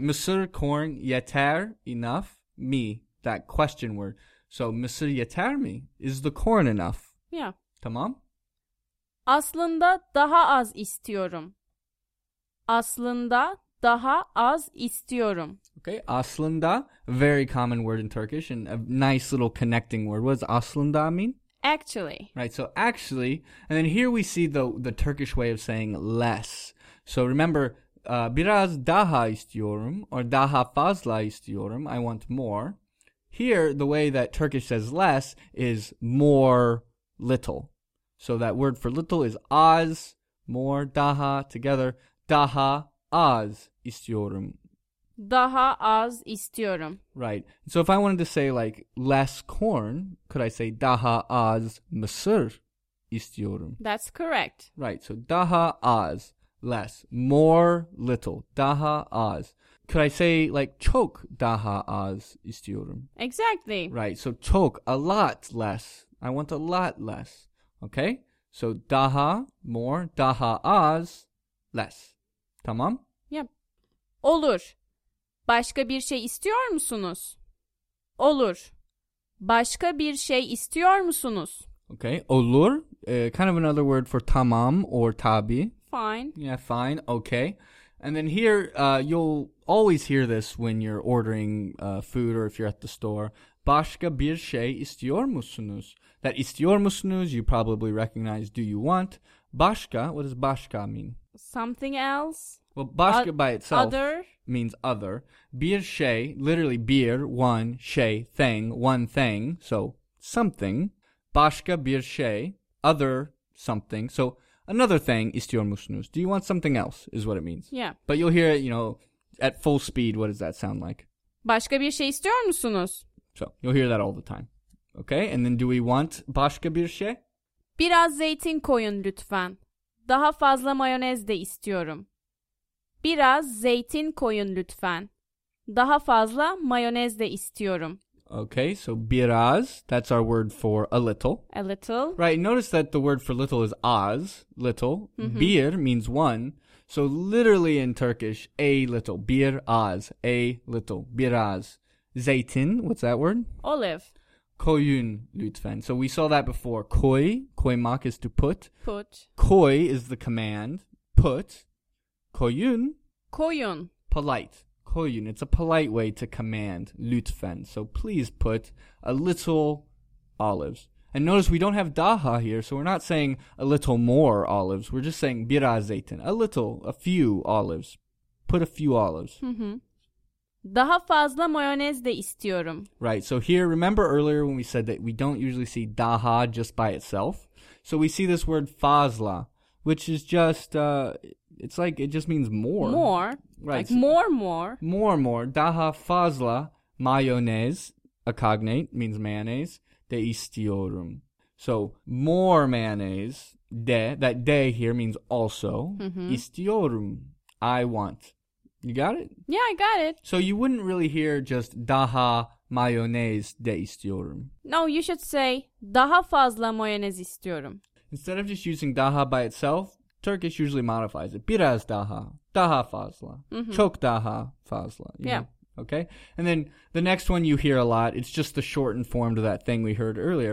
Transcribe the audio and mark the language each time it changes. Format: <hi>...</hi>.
<tr>Mısır corn yeter enough mi?</tr> <en>That question word. So,</en> <tr>Mısır yeter mi?</tr> <en>Is the corn enough? Yeah.</en> <tr>Tamam. Aslında daha az istiyorum. Aslında daha az istiyorum.</tr> <en>Okay. Aslında, very common word in Turkish and a nice little connecting word. What does aslında mean? Actually. Right. So, actually. And then here we see the Turkish way of saying less. So, remember,</en> <tr>biraz daha istiyorum</tr> <en>or</en> <tr>daha fazla istiyorum.</tr> <en>I want more. Here, the way that Turkish says less is more little. So that word for little is az, more, daha, together.</en> <tr>Daha az istiyorum. Daha az istiyorum.</tr> <en>Right. So if I wanted to say, like, less corn, could I say</en> <tr>daha az mısır istiyorum?</tr> <en>That's correct. Right. So daha az, less, more, little. Daha az. Could I say, like,</en> <tr>çok daha az istiyorum?</tr> <en>Exactly. Right. So, çok, a lot less. I want a lot less. Okay? So daha more, daha az less. Tamam? Yep. Olur.</en> <tr>Başka bir şey istiyor musunuz? Olur. Başka bir şey istiyor musunuz?</tr> <en>Okay. Olur. Kind of another word for tamam or tabi. Fine. Yeah, fine. Okay. And then here, you'll always hear this when you're ordering food or if you're at the store.</en> <tr>Başka bir şey istiyor musunuz?</tr> <en>That</en> <tr>istiyor musunuz,</tr> <en>you probably recognize, do you want? Başka, what does başka mean? Something else. Well, başka by itself other. Means other. Bir şey, literally bir, one, şey, thing, one thing. So, something.</en> <tr>Başka bir şey,</tr> <en>other something. So, another thing,</en> <tr>istiyor musunuz?</tr> <en>Do you want something else, is what it means. Yeah. But you'll hear it, you know, at full speed, what does that sound like?</en> <tr>Başka bir şey istiyor musunuz?</tr> <en>So, you'll hear that all the time. Okay, and then do we want</en> <tr>başka bir şey? Biraz zeytin koyun lütfen. Daha fazla mayonez de istiyorum. Biraz zeytin koyun lütfen. Daha fazla mayonez de istiyorum.</tr> <en>Okay, so biraz, that's our word for a little. A little. Right, notice that the word for little is az, little. Mm-hmm. Bir means one. So literally in Turkish, a little. Bir az, a little. Biraz. Zeytin, what's that word? Olive.</en> <tr>Koyun lütfen.</tr> <en>So we saw that before. Koy, koymak is to put. Put. Koy is the command. Put. Koyun.</en> <tr>Koyun.</tr> <en>Polite. Koyun. It's a polite way to command. Lütfen. So please put a little olives. And notice we don't have daha here, so we're not saying a little more olives. We're just saying</en> <tr>biraz zeytin.</tr> <en>A little, a few olives. Put a few olives. Mm-hmm.</en> <tr>Daha fazla mayonez de istiyorum.</tr> <en>Right, so here, remember earlier when we said that we don't usually see daha just by itself? So we see this word fazla, which is just, it's like, it just means more. More, right. Like so more, more. More, more. Daha fazla mayonez, a cognate, means mayonnaise,</en> <tr>de istiyorum.</tr> <en>So more mayonnaise, de, that de here means also, mm-hmm. istiyorum, I want. You got it? Yeah, I got it. So you wouldn't really hear just</en> <tr>daha mayonez de istiyorum.</tr> <en>No, you should say</en> <tr>daha fazla mayonez istiyorum.</tr> <en>Instead of just using daha by itself, Turkish usually modifies it.</en> <tr>Biraz daha, daha fazla, mm-hmm. çok daha fazla.</tr> <en>Yeah. Okay? And then the next one you hear a lot, it's just the shortened form to that thing we heard earlier.</en>